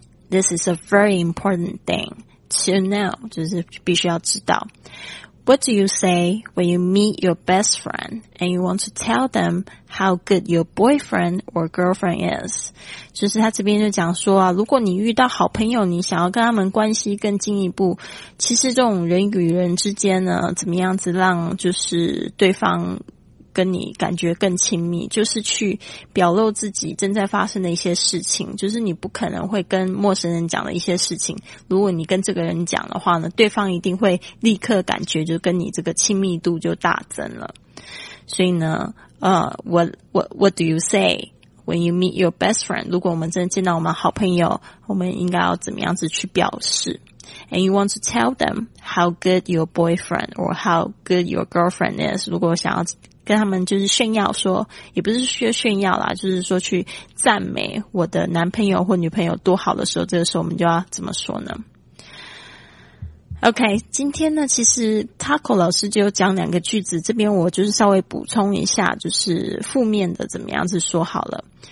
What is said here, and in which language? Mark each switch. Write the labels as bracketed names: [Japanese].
[English] This is a very important thing to know, [Chinese] 就是必须要知道。 [English] What do you say when you meet your best friend and you want to tell them how good your boyfriend or girlfriend is? [Chinese] 就是他这边就讲说啊，如果你遇到好朋友，你想要跟他们关系更进一步，其实这种人与人之间呢，怎么样子让就是对方跟你感觉更亲密，就是去表露自己正在发生的一些事情，就是你不可能会跟陌生人讲的一些事情，如果你跟这个人讲的话呢，对方一定会立刻感觉就跟你这个亲密度就大增了。所以呢 [English] what do you say when you meet your best friend? [Chinese] 如果我们真的见到我们好朋友，我们应该要怎么样子去表示？ [English] And you want to tell them how good your boyfriend or how good your girlfriend is. [Chinese] 如果想要跟他们就是炫耀说，也不是说炫耀啦，就是说去赞美我的男朋友或女朋友多好的时候，这个时候我们就要怎么说呢？ OK, 今天呢其实 Taco 老师就讲两个句子，这边我就是稍微补充一下，就是负面的怎么样子说好了。